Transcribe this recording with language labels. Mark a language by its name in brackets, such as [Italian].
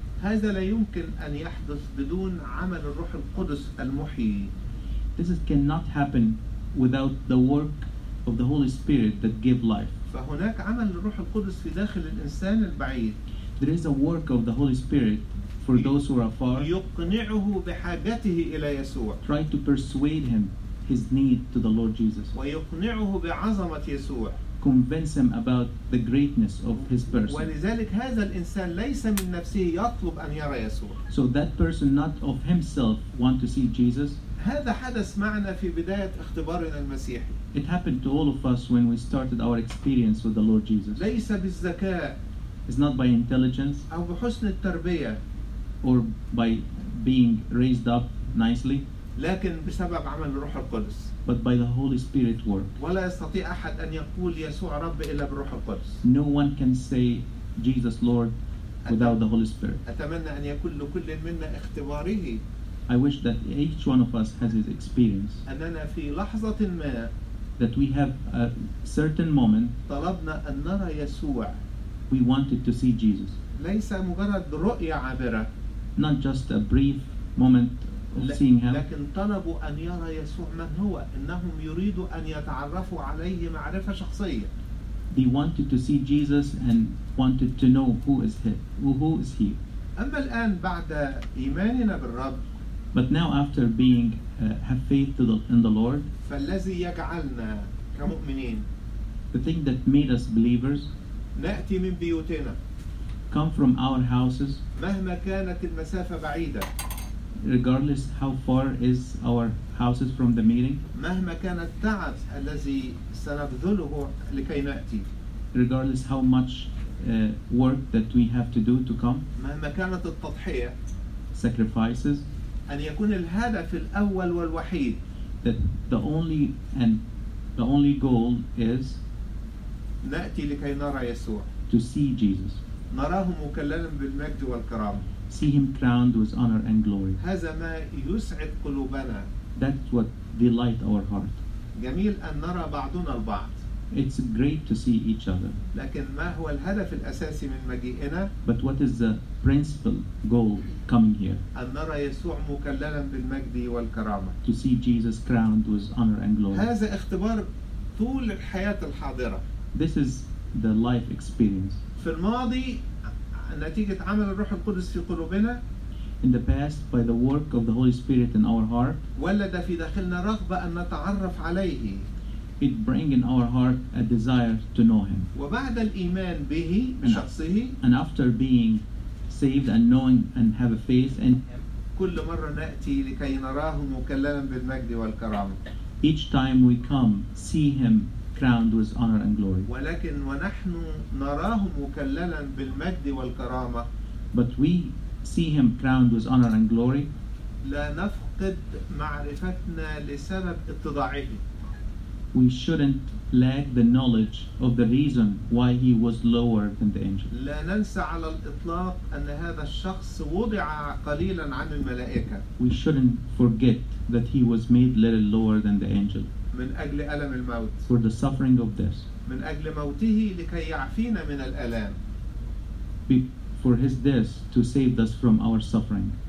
[Arabic] هذا لا يمكن أن يحدث بدون عمل الروح القدس المحيي. [English] This cannot happen without the work of the Holy Spirit that give life. [Arabic] فهناك عمل الروح القدس في داخل الإنسان البعيد. [English] There is a work of the Holy Spirit for those who are far. [Arabic] يقنعه بحاجته إلى يسوع. [English] Try to persuade him. His need to the Lord Jesus. [Arabic] ويقنعه بعظمة يسوع. [English] Convince him about the greatness of his person. [Arabic] ولذلك هذا الإنسان ليس من نفسه يطلب أن يرى يسوع. [English] So that person not of himself want to see Jesus. [Arabic] هذا حدث معنا في بداية اختبارنا المسيحي. [English] It happened to all of us when we started our experience with the Lord Jesus. [Arabic] ليس بالذكاء. [English] It's not by intelligence. [Arabic] أو بحسن التربية. [English] Or by being raised up nicely. [Arabic] لكن بسبب عمل الروح القدس. [English] But by the Holy Spirit work. [Arabic] ولا يستطيع أحد أن يقول يسوع رب إلا بالروح القدس. [English] No one can say Jesus Lord without the Holy Spirit. [Arabic] أتمنى أن يكون لكل منا اختباره. [English] I wish that each one of us has his experience. [Arabic] أننا في لحظة ما. [English] That we have a certain moment. [Arabic] طلبنا أن نرى يسوع. [English] We wanted to see Jesus. [Arabic] ليس مجرد رؤية عابرة. [English] Not just a brief moment. [Arabic] لكن طلبوا أن يرى يسوع من هو. إنهم يريدوا أن يتعرفوا عليه معرفة شخصية. [English] They wanted to see Jesus and wanted to know who is he. [Arabic] أما الآن بعد إيماننا بالرب. [English] But now after being have faith in the Lord. [Arabic] فالذي يجعلنا كمؤمنين. [English] The thing that made us believers. [Arabic] نأتي من بيوتنا. [English] Come from our houses. [Arabic] مهما كانت المسافة بعيدة. [English] Regardless how far is our houses from the meeting. [Arabic] مهما كان التعب الذي سنبذله لكي نأتي. [English] Regardless how much work that we have to do to come. [Arabic] مهما كانت التضحية. [English] Sacrifices. [Arabic] أن يكون الهدف الأول والوحيد. [English] That the only goal is. [Arabic] نأتي لكي نرى يسوع. [English] To see Jesus. [Arabic] نراه مكللا بالمجد والكرامة. [English] See him crowned with honor and glory. [Arabic] هذا ما يسعد قلوبنا. [English] That's what delight our heart. [Arabic] جميل أن نرى بعضنا البعض. [English] It's great to see each other. [Arabic] لكن ما هو الهدف الأساسي من مجيئنا؟ [English] But what is the principal goal coming here? [Arabic] أن نرى يسوع مكللا بالمجد والكرامة. [English] To see Jesus crowned with honor and glory. [Arabic] هذا اختبار طول الحياة الحاضرة. [English] This is the life experience. [Arabic] في الماضي نتيجة عمل الروح القدس في قلوبنا. [English] In the past, by the work of the Holy Spirit in our heart. [Arabic] ولد في داخلنا رغبة أن نتعرف عليه. [English] It bring in our heart a desire to know him. [Arabic] وبعد الإيمان به بشخصه. [English] And after being saved and knowing and have a faith in him. [Arabic] كل مرة نأتي لكي نراه مكللا بالمجد والكرامة. [English] Each time we come, see him. Crowned with honor and glory. [Arabic] ولكن ونحن نراه مكللا بالمجد والكرامة. [English] But we see him crowned with honor and glory. [Arabic] لا نفقد معرفتنا لسبب اتضاعه. [English] We shouldn't lack the knowledge of the reason why he was lower than the angel. [Arabic] لا ننسى على الإطلاق أن هذا الشخص وضع قليلا عن الملائكة. [English] We shouldn't forget that he was made little lower than the angel. [Arabic] من أجل ألم الموت. [English] For the suffering of death. [Arabic] من أجل موته لكي يعفينا من الألام. [English] For his death to save us from our suffering.